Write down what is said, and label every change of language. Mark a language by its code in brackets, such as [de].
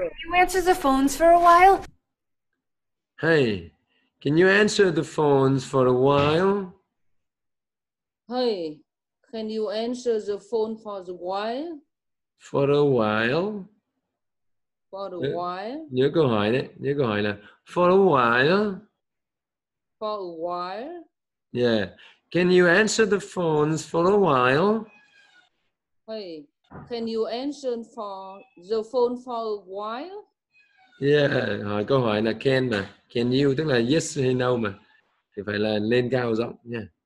[en] Can you answer the phones for a while? Hey, Can you answer the phones for a while? Hey, can you answer the phone for a while? For a while. For a while. [vi] Nhớ câu hỏi đấy. Nhớ câu hỏi là [en] for a while. For a while. Yeah. Can you answer the phones for a while? Hey, can you answer for the phone for a while? [vi] Yeah, hỏi câu hỏi là can mà. [en] Can you [vi] tức là yes hay no mà. Thì phải là lên cao giọng nha.